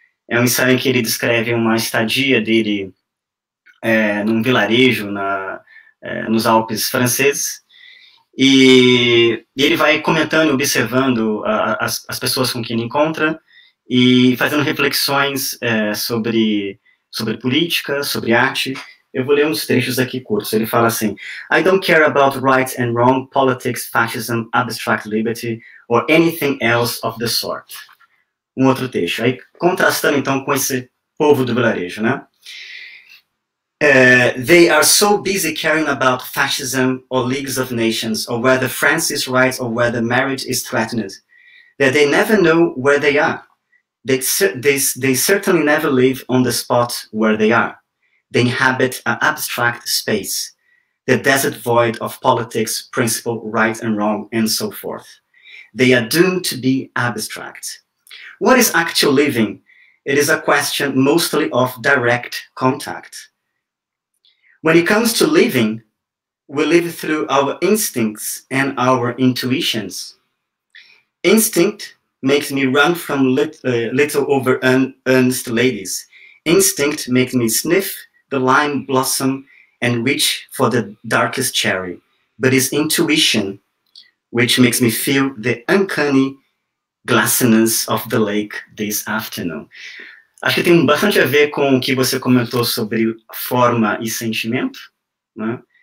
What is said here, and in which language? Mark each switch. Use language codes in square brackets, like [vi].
[pt] É um ensaio em que ele descreve uma estadia dele num vilarejo nos Alpes franceses, e ele vai comentando, observando as pessoas com quem ele encontra, e fazendo reflexões sobre política, sobre arte. Eu vou ler uns trechos aqui curtos. Ele fala assim: [en] I don't care about right and wrong, politics, fascism, abstract liberty, or anything else of the sort. [pt] Um outro trecho. Aí, contrastando então com esse povo do vilarejo, né? [en] They are so busy caring about fascism or leagues of nations, or whether France is right or whether marriage is threatened, that they never know where they are. They certainly never live on the spot where they are. They inhabit an abstract space, the desert void of politics, principle, right and wrong, and so forth. They are doomed to be abstract. What is actual living? It is a question mostly of direct contact. When it comes to living, we live through our instincts and our intuitions. Instinct makes me run from little over earnest ladies. Instinct makes me sniff the lime blossom and reach for the darkest cherry. But it's intuition which makes me feel the uncanny glassiness of the lake this afternoon. [pt] Acho que tem bastante a ver com o que você comentou sobre forma e sentimento, né?